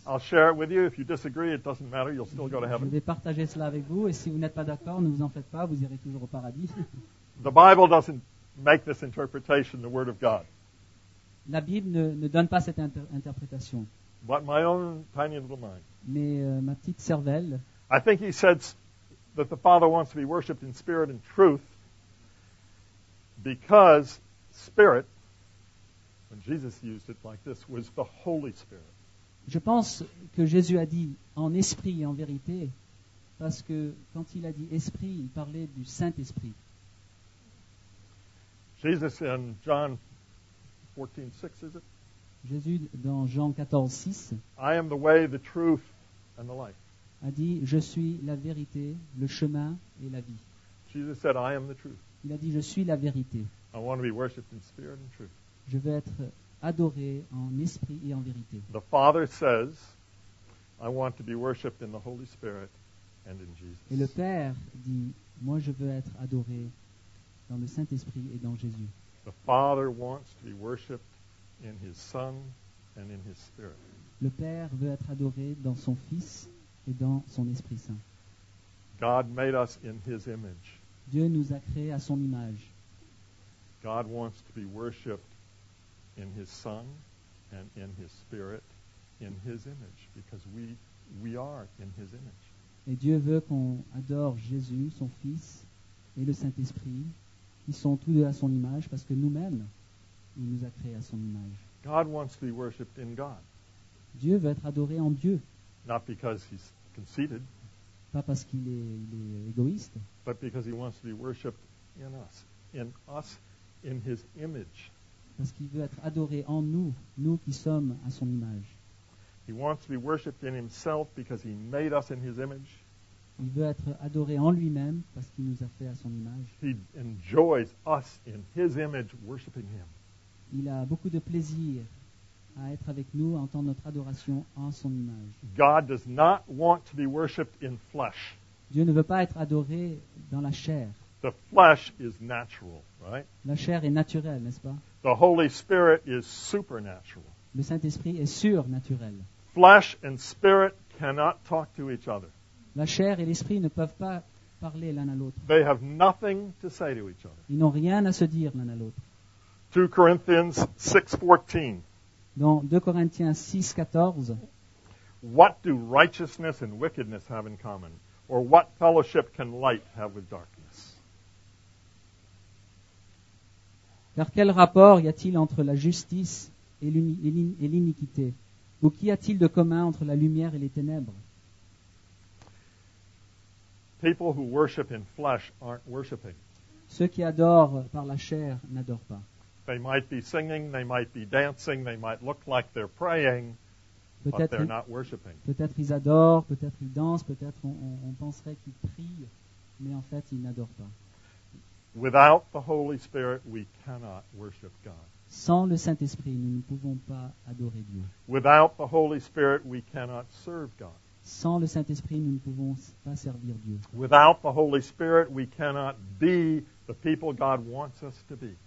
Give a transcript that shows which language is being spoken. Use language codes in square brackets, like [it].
[en] I'll share it with you. If you disagree, it doesn't matter. You'll still go to heaven. [fr] Je vais partager cela avec vous, et si vous n'êtes pas d'accord, ne vous en faites pas, vous irez toujours au paradis. [en] The Bible doesn't make this interpretation the word of God. [fr] La Bible ne donne pas cette interprétation. [en] But my own tiny little mind. [fr] Mais ma petite cervelle. [en] I think he said that the Father wants to be worshipped in spirit and truth, because spirit, when Jesus used it like this, was the Holy Spirit. [fr] Je pense que Jésus a dit en esprit et en vérité, parce que quand il a dit esprit, il parlait du Saint-Esprit. [en] Jesus in John 14:6, is it? [fr] Jésus dans Jean 14:6. [en] I am the way, the truth, and the life. [fr] A dit, je suis la vérité, le chemin et la vie. [en] Jesus said, I am the truth. [fr] Il a dit, je suis la vérité. [en] I want to be worshipped in spirit and truth. [fr] Je veux être adoré en esprit et en vérité. [en] The Father says, I want to be worshipped in the Holy Spirit and in Jesus. [fr] Et le Père dit, moi je veux être adoré dans le Saint-Esprit et dans Jésus. [en] The Father wants to be worshipped in His Son and in His Spirit. [fr] Le Père veut être adoré dans son Fils et dans son Esprit Saint. [en] God made us in His image. [fr] Dieu nous a créés à son image. [en] God wants to be worshipped in His Son and in His Spirit in His image, because we are in His image. [fr] Et Dieu veut qu'on adore Jésus, son Fils, et le Saint-Esprit, qui sont tous deux à son image, parce que nous-mêmes, il nous a créés à son image. [en] God wants to be worshipped in God. [fr] Dieu veut être adoré en Dieu. [en] Not because he's conceited, [fr] pas parce qu'il est égoïste, [en] but because he wants to be worshipped in us, in his image. [fr] Parce qu'il veut être adoré en nous, nous qui sommes à son image. [en] He wants to be worshipped in himself because he made us in his image. [fr] Il veut être adoré en lui-même parce qu'il nous a fait à son image. [en] He enjoys us in his image worshipping him. [fr] Il a beaucoup de plaisir à être avec nous, à entendre notre adoration en son image. [en] God does not want to be worshipped in flesh. [fr] Dieu ne veut pas être adoré dans la chair. [en] The flesh is natural, right? [fr] La chair est naturelle, n'est-ce pas? [en] The Holy Spirit is supernatural. [fr] Le Saint-Esprit est surnaturel. [en] Flesh and spirit cannot talk to each other. [fr] La chair et l'esprit ne peuvent pas parler l'un à l'autre. [en] They have nothing to say to each other. [fr] Ils n'ont rien à se dire l'un à l'autre. [en] 2 Corinthians 6:14. [fr] Dans 2 Corinthiens 6:14. [en] What do righteousness and wickedness have in common? Or what fellowship can light have with darkness? [fr] Car quel rapport y a-t-il entre la justice et l'iniquité? Ou qu'y a-t-il de commun entre la lumière et les ténèbres? [en] People who worship in flesh aren't worshiping. [fr] Ceux qui adorent par la chair n'adorent pas. [en] They might be singing, they might be dancing, they might look like they're praying, [fr] peut-être [en] but they're not worshiping. [fr] Peut-être ils adorent, peut-être ils dansent, peut-être on penserait qu'ils prient, mais en fait ils n'adorent pas. [en] Without the Holy Spirit, we cannot worship God. [fr] Sans le Saint-Esprit, nous ne pouvons pas adorer Dieu. [en] Without the Holy Spirit, we cannot serve God. [fr] Sans le Saint-Esprit, nous ne pouvons pas servir Dieu. [en] Without the Holy Spirit, we cannot be the people God wants us to be.